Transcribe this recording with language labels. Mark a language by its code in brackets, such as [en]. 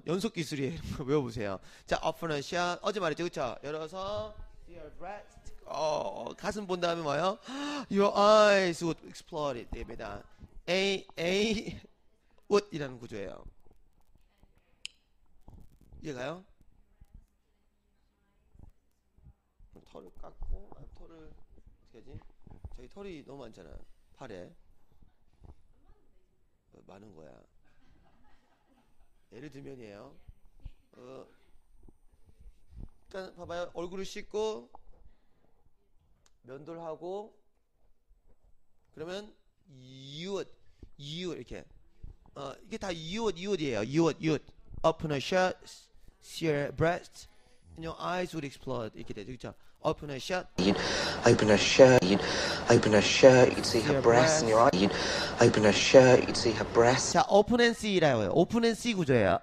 [ko] 연속 기술이에요. 외워보세요. 자, open her shirt. 어제 말했죠, 그렇죠? 열어서 see her breasts. 가슴 본 다음에 뭐요? [en] Your eyes would explode. [ko] 됩니다. A would 이라는 구조예요. 이해가요? 털을 깎고 털을 어떻게 하지? 저기 털이 너무 많잖아. 팔에 많은 거야. 예를 들면이에요. 일단 봐봐요. 얼굴을 씻고 면도를 하고 그러면 you 이렇게 이게 다 you이에요. [en] you open a shirt, see your breast, and your eyes would explode 이렇게 되죠. 그렇죠? Open a shirt. Open a shirt. Open a shirt. You'd see her breasts in your eyes. Open a shirt. You'd see her breasts. [ko] 자, open and see 라고요. Open and see 구조예요.